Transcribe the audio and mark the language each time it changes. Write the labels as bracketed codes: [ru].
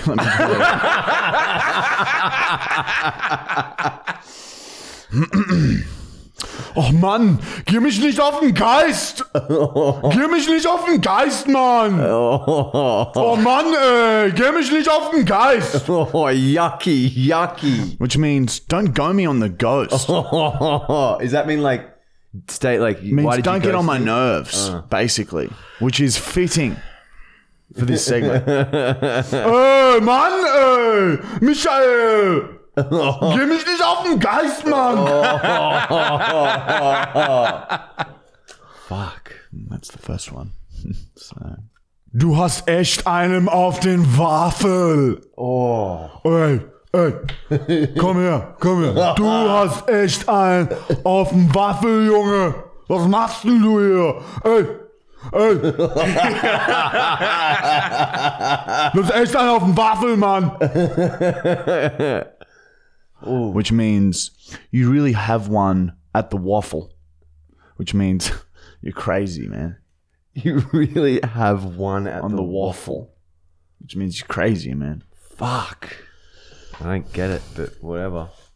[en] Let me [de] Oh, Mann, geh mich nicht auf den Geist. Geh mich nicht auf den Geist, Mann. Oh, Mann, geh mich nicht auf den Geist. [en] Oh, yucky, yucky. Which means, don't go me on the ghost. Does that mean like, stay like, means why did don't you get on my nerves, basically, which is fitting. For this segment. [de] Mann, Michael, geh mich nicht auf den Geist, Mann. [en] Fuck. That's the first one. So. [de] Du hast echt einen auf den Waffel. [en] Oh. [de] Hey, hey, komm her. Du hast echt einen auf den Waffel, Junge. Was machst denn du hier? Hey. Ey! Du hast echt einen auf dem Waffel, Mann! [en] Which means, you really have one at the waffle. Which means, you're crazy, man. You really have one at on the waffle. Which means you're crazy, man. Fuck. I don't get it, but whatever.